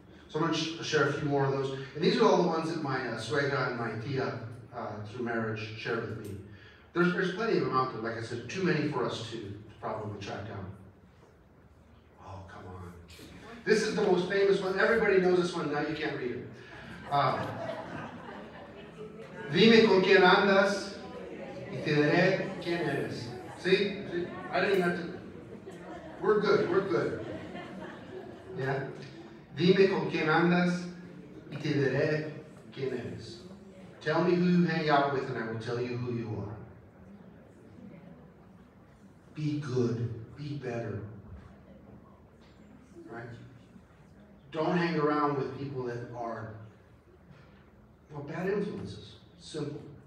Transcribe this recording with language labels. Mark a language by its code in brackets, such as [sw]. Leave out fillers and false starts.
[en] So I'm going to share a few more of those. And these are all the ones that my suegra and my tia, through marriage, share with me. There's plenty of them out there. Like I said, too many for us to probably track down. Oh, come on. This is the most famous one. Everybody knows this one. Now you can't read it. [es] Dime con quién andas y te diré quién eres. [en] See? I didn't have to. We're good. [es] ¿Ya? Dime con quién andas y te diré quién eres. [en] Tell me who you hang out with and I will tell you who you are. Be good. Be better. Right? Don't hang around with people that are bad influences. Simple.